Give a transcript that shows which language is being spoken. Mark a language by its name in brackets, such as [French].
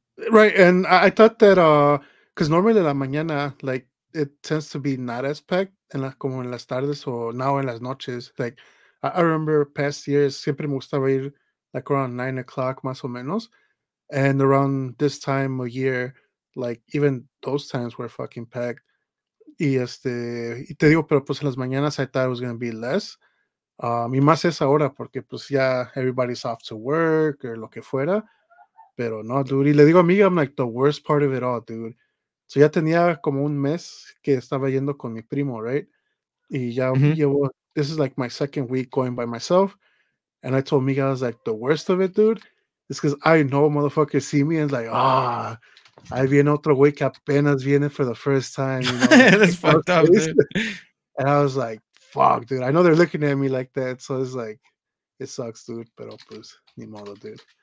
[English] Right, and I thought that, because normally [Spanish] la mañana, [English] like, it tends to be not as packed, [Spanish] en la, como en las tardes o [English] now en las noches. Like, I remember past years, [Spanish] siempre me gustaba ir, [English] like, around 9 o'clock, [Spanish] más o menos. [English] And around this time of year, like, even those times were fucking packed. [Spanish] Y te digo, pero pues en las mañanas [English] I thought it was going to be less. [Spanish] Y más es ahora, porque pues ya [English] everybody's off to work [Spanish] or lo que fuera. Pero no, dude. Y le digo a mí, [English] I'm like the worst part of it all, dude. [Spanish] So ya tenía como un mes que estaba yendo con mi primo, right? Y ya llevo, [English] this is like my second week going by myself. And I told Miguel, I was like, the worst of it, dude, is because I know motherfuckers see me and like, [Spanish] ahí viene otro güey que apenas viene for the first time. [English] You know? That's fucked up, dude. And I was like, fuck, dude, I know they're looking at me like that, so it's like, it sucks, dude, [Spanish] pero pues, ni modo, [English] dude.